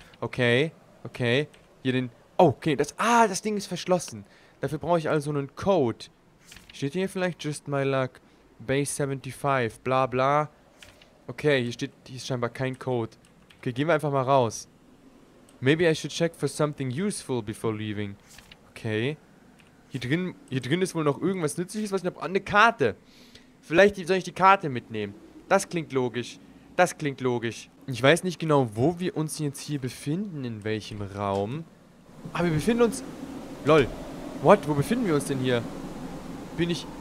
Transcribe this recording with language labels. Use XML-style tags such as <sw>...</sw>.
<de>Okay, okay, hier den, oh, okay, das, ah, das Ding ist verschlossen. Dafür brauche ich also einen Code. Steht hier vielleicht Just My Luck, Base 75, bla bla. Okay, hier steht, hier ist scheinbar kein Code. Okay, gehen wir einfach mal raus.</de> <en>Maybe I should check for something useful before leaving.</en> <de>Okay, hier drin ist wohl noch irgendwas Nützliches, was ich noch, eine Karte. Vielleicht soll ich die Karte mitnehmen. Das klingt logisch. Das klingt logisch. Ich weiß nicht genau, wo wir uns jetzt hier befinden, in welchem Raum. Aber wir befinden uns... Lol. What? Wo befinden wir uns denn hier? Bin ich...</de>